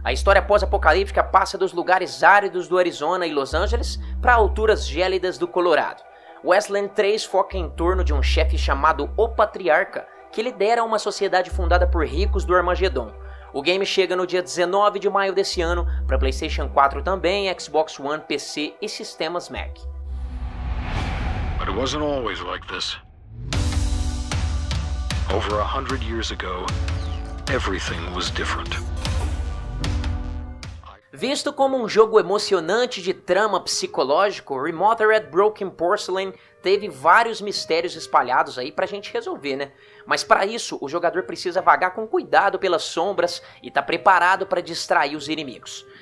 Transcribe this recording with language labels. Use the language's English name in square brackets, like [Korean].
[Portuguese] A história pós-apocalíptica passa dos lugares áridos do Arizona e Los Angeles para alturas gélidas do Colorado. Westlands 3 foca em torno de um chefe chamado O Patriarca, que lidera uma sociedade fundada por ricos do Armagedon. O game chega no dia 19 de maio desse ano para PlayStation 4 também, Xbox One, PC e sistemas Mac. [English] But it wasn't always like this. Over 100 years ago, everything was different. [Portuguese] Visto como um jogo emocionante de trama psicológico, Remothered Broken Porcelain teve vários mistérios espalhados aí pra gente resolver, né? Mas para isso, o jogador precisa vagar com cuidado pelas sombras e tá preparado para distrair os inimigos.